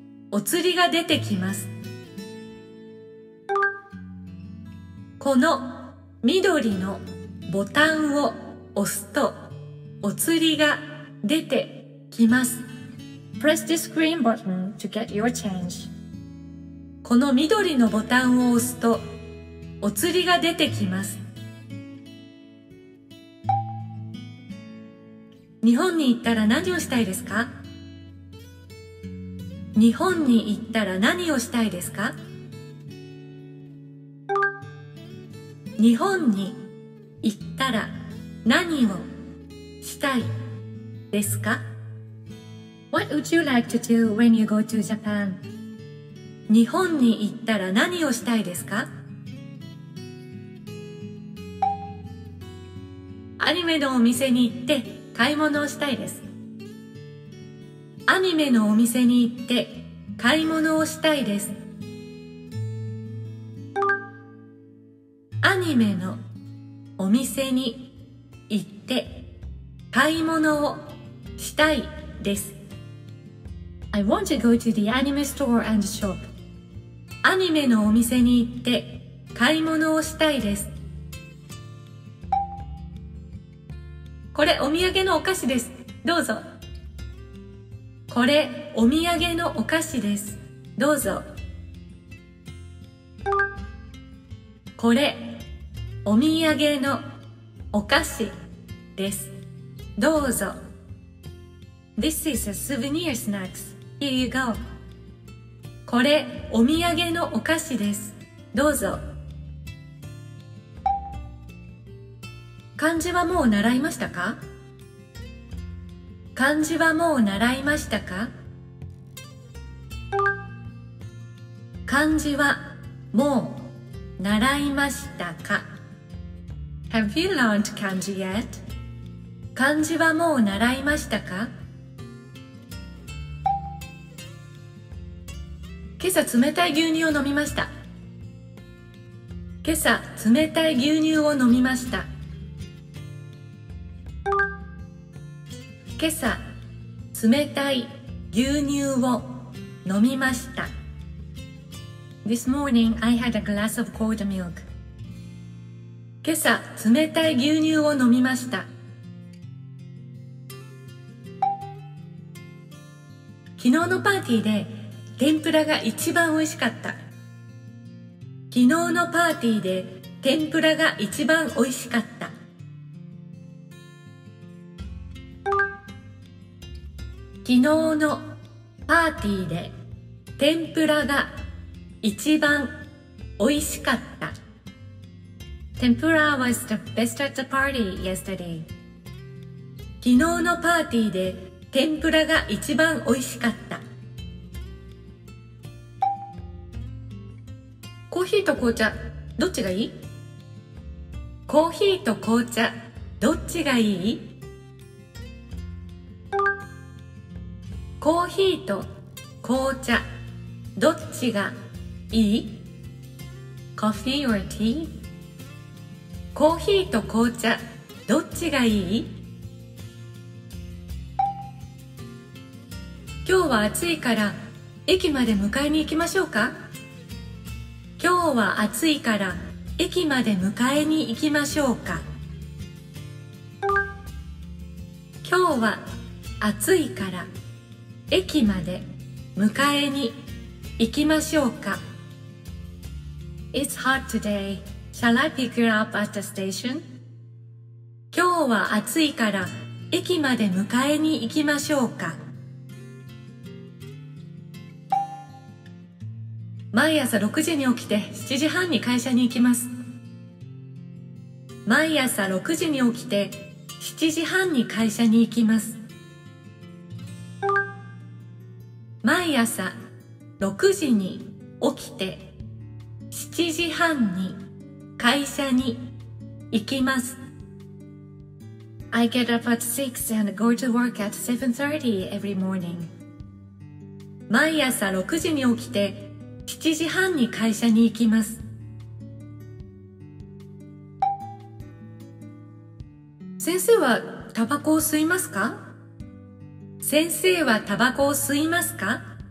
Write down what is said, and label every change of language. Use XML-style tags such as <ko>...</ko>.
<ja>お釣りが出てきます。この緑のボタンを押すとお釣りが出てきます。</ja> <en>Press this green button to get your change.</en> <ja>この緑のボタンを押すとお釣りが出てきます。日本に行ったら何をしたいですか？日本に行ったら何をしたいですか？日本に行ったら何をしたいですか？</ja> <en>What would you like to do when you go to Japan?</en> <ja>日本に行ったら何をしたいですか？アニメのお店に行って買い物をしたいです。アニメのお店に行って買い物をしたいです。アニメのお店に行って買い物をしたいです。</ja> <en>I want to go to the anime store and shop.</en> <ja>アニメのお店に行って買い物をしたいです。これお土産のお菓子です。どうぞ。これお土産のお菓子です。どうぞ。これお土産のお菓子です。どうぞ。</ja> <en>This is a souvenir snacks. Here you go.</en> <ja>これお土産のお菓子です。どうぞ。漢字はもう習いましたか？漢字はもう習いましたか？漢字はもう習いましたか？</ja> <en>Have you learned 漢字 yet?</en> <ja>漢字はもう習いましたか？今朝冷たい牛乳を飲みました。今朝冷たい牛乳を飲みました。今朝冷たい牛乳を飲みました。</ja> <en>This morning I had a glass of cold milk.</en> <ja>今朝冷たい牛乳を飲みました。昨日のパーティーで天ぷらが一番美味しかった。昨日のパーティーで天ぷらが一番美味しかった。昨日のパーティーで天ぷらが一番美味しかった。</ja> <en>Tempura was the best at the party yesterday.</en> <ja>昨日のパーティーで天ぷらが一番美味しかった。コーヒーと紅茶、どっちがいい？コーヒーと紅茶、どっちがいい？コーヒーと紅茶、どっちがいい？</ja> <en>Coffee or tea?</en> <ja>コーヒーと紅茶、どっちがいい？今日は暑いから駅まで迎えに行きましょうか？今日は暑いから駅まで迎えに行きましょうか？今日は暑いから駅まで迎えに行きましょうか。</ja> <en>It's hot today. Shall I pick you up at the station?</en> <ja>今日は暑いから駅まで迎えに行きましょうか。毎朝6時に起きて7時半に会社に行きます。毎朝6時に起きて7時半に会社に行きます。毎朝6時に起きて7時半に会社に行きます。</ja> <en>I get up at 6 and go to work at 7:30 every morning.</en> <ja>毎朝6時に起きて7時半に会社に行きます。先生はタバコを吸いますか？先生はタバコを吸いますか？</ja>